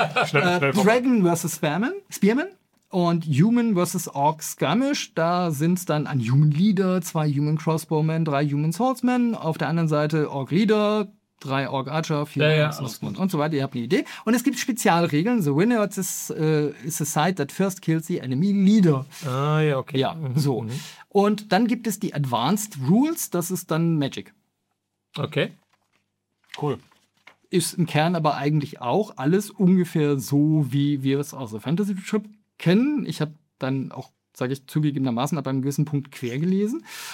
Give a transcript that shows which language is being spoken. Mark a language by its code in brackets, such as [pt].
[en] Dragon versus Spearman. [de] Und Human versus Orc Skirmish, da sind es dann ein Human Leader, 2 Human Crossbowmen, 3 Human Swordsmen. Auf der anderen Seite Orc Leader, 3 Orc Archer, 4 Horsemen und so weiter. Ihr habt eine Idee. Und es gibt Spezialregeln. [en] The winner is a side that first kills the enemy leader. [de] Ah, ja, okay. Ja, so. Und dann gibt es die Advanced Rules. Das ist dann Magic. Okay. Cool. Ist im Kern aber eigentlich auch alles ungefähr so, wie wir es aus der Fantasy Trip kennen. Ich habe dann auch, sage ich zugegebenermaßen, ab einem gewissen Punkt quer gelesen.